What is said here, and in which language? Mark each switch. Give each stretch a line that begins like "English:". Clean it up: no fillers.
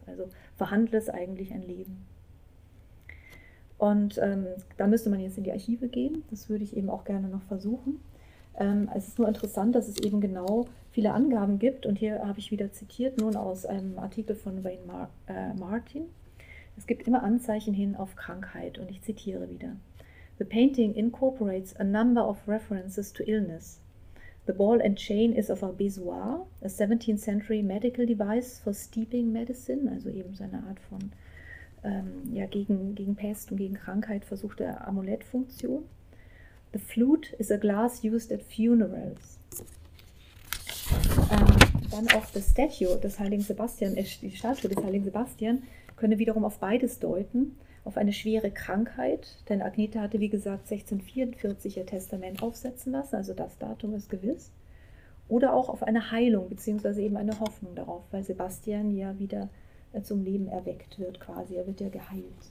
German: Also verhandelt es eigentlich ein Leben? Und da müsste man jetzt in die Archive gehen. Das würde ich eben auch gerne noch versuchen. Es ist nur interessant, dass es eben genau viele Angaben gibt. Und hier habe ich wieder zitiert, nun aus einem Artikel von Wayne Martin. Es gibt immer Anzeichen hin auf Krankheit. Und ich zitiere wieder.
English: The painting incorporates a number of references to illness. The ball and chain is of a bezoar, a 17th century medical device for steeping medicine,
German: also eben so eine Art von gegen Pest und gegen Krankheit versuchte Amulettfunktion.
English: The flute is a glass used at funerals.
German: Dann auch
English: the statue
German: des heiligen Sebastian, die Statue des heiligen Sebastian, könne wiederum auf beides deuten, auf eine schwere Krankheit, denn Agnete hatte, wie gesagt, 1644 ihr Testament aufsetzen lassen, also das Datum ist gewiss, oder auch auf eine Heilung, beziehungsweise eben eine Hoffnung darauf, weil Sebastian ja wieder zum Leben erweckt wird quasi, er wird ja geheilt.